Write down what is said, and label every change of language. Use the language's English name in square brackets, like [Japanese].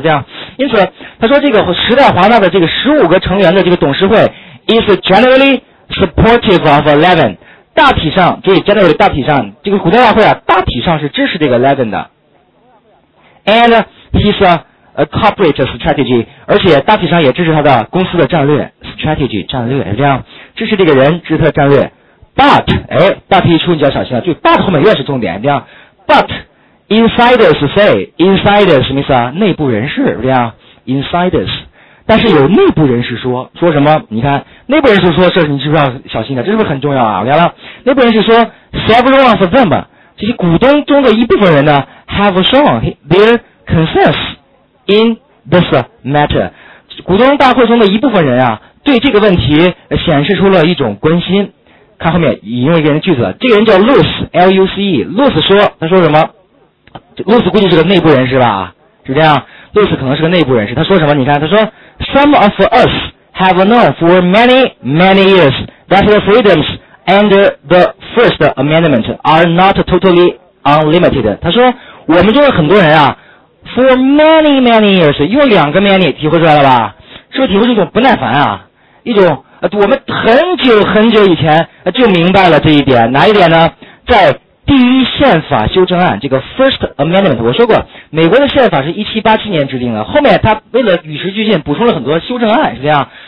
[Chinese] 这样，因此他说这个时代华纳的这个15个成员的这个董事会 [English] is generally supportive of Levin， [Chinese] 大体上，注意 generally 大体上，这个股东大会啊大体上是支持这个 Levin 的。 [English] And his corporate strategy， [Chinese] 而且大体上也支持他的公司的战略 strategy 战略，是这样，支持这个人，支持他的战略。 But， 哎，大题一出你就要小心了，就 but 后面越是重点，这样。 [English] But insiders say，insiders [Chinese] 什么意思啊？内部人士，是这样。 Insiders， 但是有内部人士说什么？你看内部人士说，这你是不是要小心的？这是不是很重要啊？我讲了，内部人士说 ， [English] several of them。 [Chinese] 这些股东中的一部分人呢 [English] have shown their consensus in this matter， [Chinese] 股东大会中的一部分人啊对这个问题显示出了一种关心。看后面引用一个人的句子，这个人叫 Luce 说，他说什么？ Luce 估计是个内部人士吧，是这样， Luce 可能是个内部人士，他说什么？你看他说 [English] Some of us have known for many many years that the freedomsAnd the First Amendment are not totally unlimited. [Chinese] 他说我们中的很多人啊 [English] for many many years， [Chinese] 用两个 many 体会出来了吧，是不是体会出一种不耐烦啊，一种我们很久很久以前就明白了这一点。哪一点呢？在第一宪法修正案，这个 First Amendment， 我说过美国的宪法是1787年制定的，后面他为了与时俱进补充了很多修正案，是这样。